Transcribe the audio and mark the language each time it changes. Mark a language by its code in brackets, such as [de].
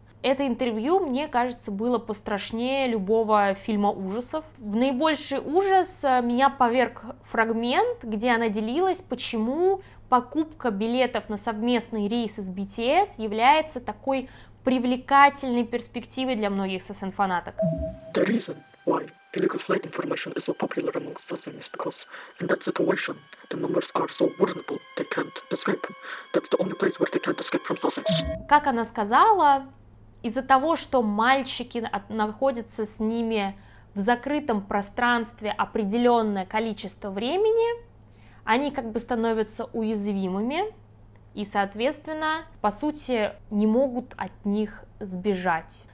[ru] Это интервью, мне кажется, было пострашнее любого фильма ужасов. В наибольший ужас меня поверг фрагмент, где она делилась, почему покупка билетов на совместный рейс с BTS является такой привлекательной перспективой для многих сосен-фанаток. [en] The reason why illegal flight information is so popular among sosens is because in that situation the numbers are so vulnerable they can't escape. That's the only place where they can't escape from sosens. [ru] Как она сказала, из-за того, что мальчики находятся с ними в закрытом пространстве определенное количество времени, они как бы становятся уязвимыми и, соответственно, по сути, не могут от них сбежать.